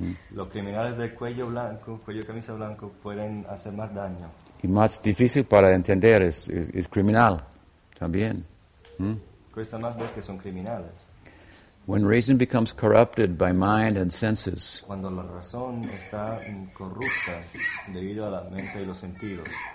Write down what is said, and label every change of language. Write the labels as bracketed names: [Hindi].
[Spanish] Los criminales de cuello blanco, cuello de camisa blanco, pueden hacer más daño. Y más difícil para entender es criminal también. Cuesta más ver que son criminales. [English] When reason becomes corrupted by mind and senses. [Spanish] Cuando la razón está corrupta debido a la mente y los sentidos.